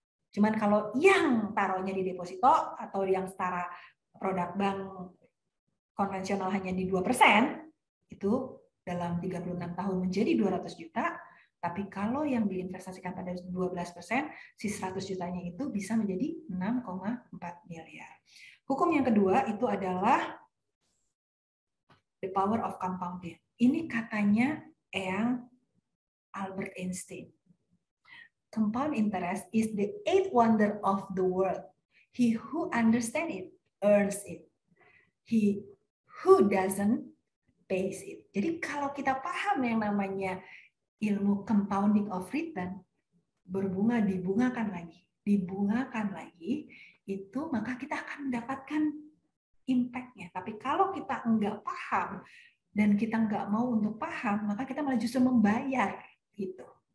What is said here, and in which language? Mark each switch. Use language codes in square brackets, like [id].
[id] Cuman kalau yang taruhnya di deposito atau yang setara produk bank konvensional hanya di 2%, itu dalam 36 tahun menjadi 200 juta, tapi kalau yang diinvestasikan pada 12%, si 100 jutanya itu bisa menjadi 6,4 miliar. Hukum yang kedua itu adalah [en] the power of compounding. [id] Ini katanya yang Albert Einstein. [en] Compound interest is the eighth wonder of the world. He who understands it earns it. He who doesn't pays it. [id] Jadi kalau kita paham yang namanya ilmu [en] compounding of return, [id] berbunga, dibungakan lagi, dibungakan lagi, itu maka kita akan mendapatkan impact-nya. Tapi kalau kita enggak paham dan kita enggak mau untuk paham, maka kita malah justru membayar gitu.